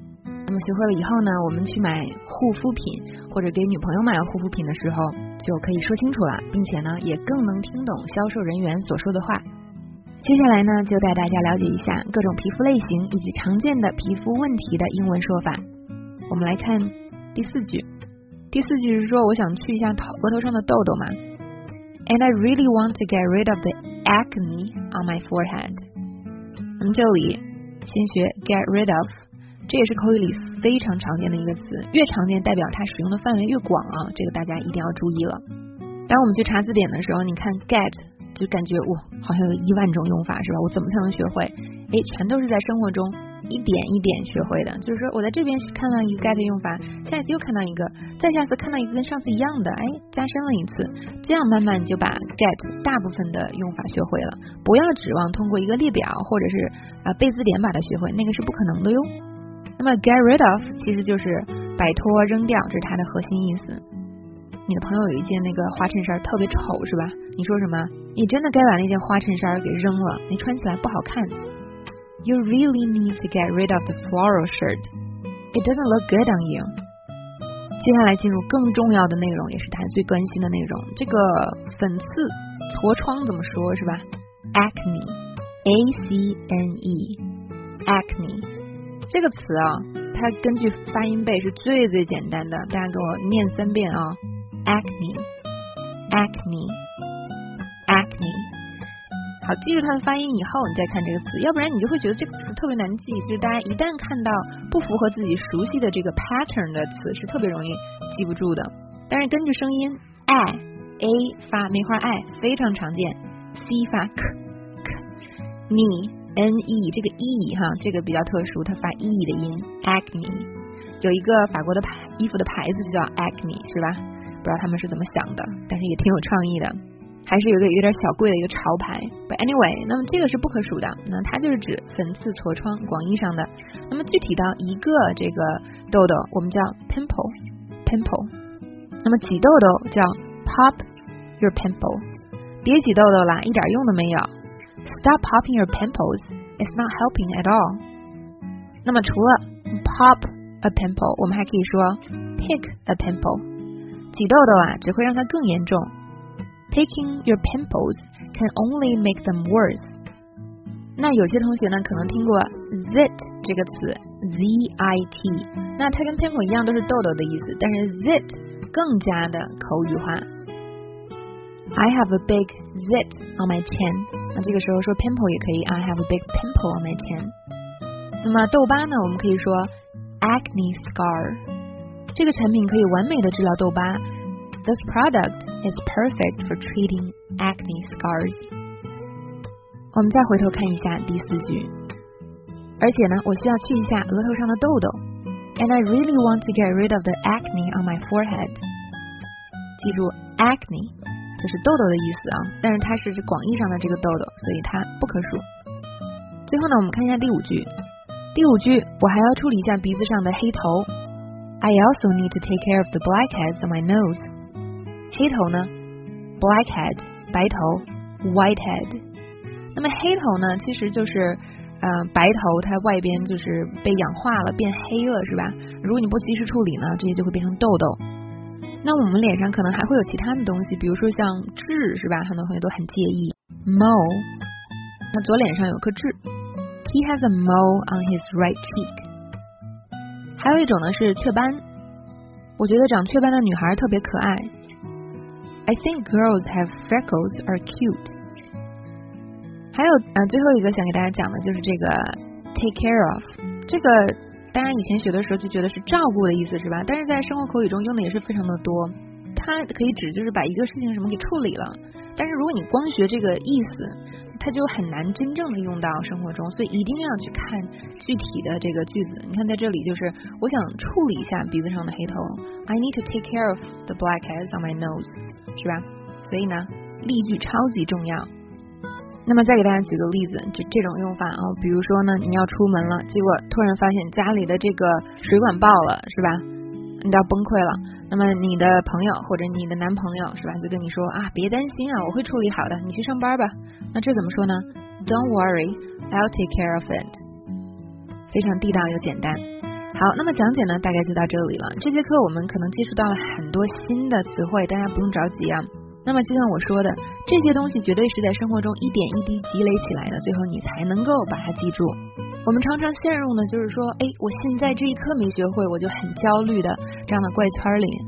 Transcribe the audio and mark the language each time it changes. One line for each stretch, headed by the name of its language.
Chinese: 那么学会了以后呢，我们去买护肤品或者给女朋友买护肤品的时候，就可以说清楚了，并且呢，也更能听懂销售人员所说的话。接下来呢，就带大家了解一下各种皮肤类型以及常见的皮肤问题的英文说法。我们来看第四句。第四句是说，我想去一下额头上的痘痘嘛。
English: And I really want to get rid of the acne on my forehead.
Chinese: 那么这里先学 get rid of， 这也是口语里非常常见的一个词，越常见代表它使用的范围越广啊，这个大家一定要注意了。当我们去查字典的时候，你看 get 就感觉哇，好像有一万种用法是吧？我怎么才能学会？哎，全都是在生活中一点一点学会的，就是说我在这边看到一个 get 用法，下一次又看到一个，再下次看到一个跟上次一样的，哎，加深了一次，这样慢慢就把 get 大部分的用法学会了。不要指望通过一个列表或者是背字典把它学会，那个是不可能的哟。那么 get rid of 其实就是摆脱、扔掉，这是它的核心意思。你的朋友有一件那个花衬衫特别丑是吧？你说什么？你真的该把那件花衬衫给扔了，你穿起来不好看。
English: You really need to get rid of the floral shirt. It doesn't look good on you.
Chinese: 接下来进入更重要的内容，也是他最关心的内容。这个粉刺、痤疮怎么说是吧 ？Acne, A C N E, acne. 这个词啊，它根据发音背是最最简单的。大家给我念三遍啊 ，acne, acne, acne. 好，记住它的发音以后你再看这个词，要不然你就会觉得这个词特别难记，就是大家一旦看到不符合自己熟悉的这个 pattern 的词是特别容易记不住的。但是根据声音 I A 发梅花 I 非常常见， C 发 K K Ni N E 这个 E 哈，这个比较特殊，它发 E 的音 Acne。有一个法国的衣服的牌子就叫 Acne 是吧，不知道他们是怎么想的，但是也挺有创意的，还是有点小贵的一个潮牌。
English: But anyway，
Chinese: 那么这个是不可数的，那它就是指粉刺、痤疮，广义上的。那么具体到一个这个痘痘，我们叫 pimple， 那么挤痘痘叫 pop your pimple， 别挤痘痘了，一点用都没有。
English: Stop popping your pimples， it's not helping at all。
Chinese: 那么除了 pop a pimple， 我们还可以说 pick a pimple， 挤痘痘啊，只会让它更严重。
English: Picking your pimples can only make them worse.
Chinese: 那有些同学呢，可能听过 zit 这个词 ，z-i-t， 那它跟 pimple 一样，都是痘痘的意思，但是 zit 更加的口语化。
English: I have a big zit on my chin.
Chinese: 那这个时候说 pimple 也可以
English: ，I have a big pimple on my chin.
Chinese: 那么痘疤呢，我们可以说 acne scar. 这个产品可以完美的治疗痘疤。
English: This product is perfect for treating acne scars.
Chinese: 我们再回头看一下第四句。而且呢，我需要去一下额头上的痘痘。
English: And I really want to get rid of the acne on my forehead.
Chinese: 记住 ，acne 就是痘痘的意思啊，但是它是广义上的这个痘痘，所以它不可数。最后呢，我们看一下第五句。第五句，我还要处理一下鼻子上的黑头。
English: I also need to take care of the blackheads on my nose.
Chinese: 黑头呢 ，blackhead， 白头 ，whitehead。那么黑头呢，其实就是白头，它外边就是被氧化了，变黑了，是吧？如果你不及时处理呢，这些就会变成痘痘。那我们脸上可能还会有其他的东西，比如说像痣，是吧？很多同学都很介意 mole。那左脸上有颗痣
English: ，he has a mole on his right cheek。
Chinese: 还有一种呢是雀斑，我觉得长雀斑的女孩特别可爱。
English: I think girls have freckles are cute.
Chinese: 还有最后一个想给大家讲的就是这个 take care of. 这个大家以前学的时候就觉得是照顾的意思是吧，但是在生活口语中用的也是非常的多。它可以指就是把一个事情什么给处理了，但是如果你光学这个意思，它就很难真正的用到生活中，所以一定要去看具体的这个句子。你看在这里就是我想处理一下鼻子上的黑头，
English: I need to take care of the blackheads on my nose，
Chinese: 是吧？所以呢例句超级重要。那么再给大家举个例子，就这种用法啊，比如说呢你要出门了，结果突然发现家里的这个水管爆了是吧，你都要崩溃了，那么你的朋友或者你的男朋友是吧，就跟你说啊，别担心啊，我会处理好的，你去上班吧。那这怎么说呢？
English: Don't worry, I'll take care of it。
Chinese: 非常地道又简单。好，那么讲解呢大概就到这里了。这节课我们可能接触到了很多新的词汇，大家不用着急啊。那么就像我说的，这些东西绝对是在生活中一点一滴积累起来的，最后你才能够把它记住。我们常常陷入呢，就是说，哎，我现在这一刻没学会，我就很焦虑的这样的怪圈里。